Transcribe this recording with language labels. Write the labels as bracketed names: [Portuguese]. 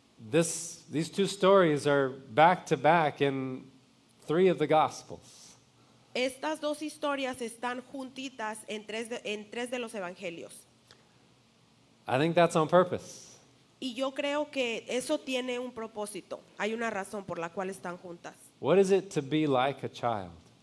[English] These two stories are back to back in three of the Gospels. [Spanish] Estas dos historias están juntitas en tres de los Evangelios. [English] I think that's on purpose. [Spanish] Y yo creo que eso tiene un propósito. Hay una razón por la cual están juntas. [English] What is it to be like a child?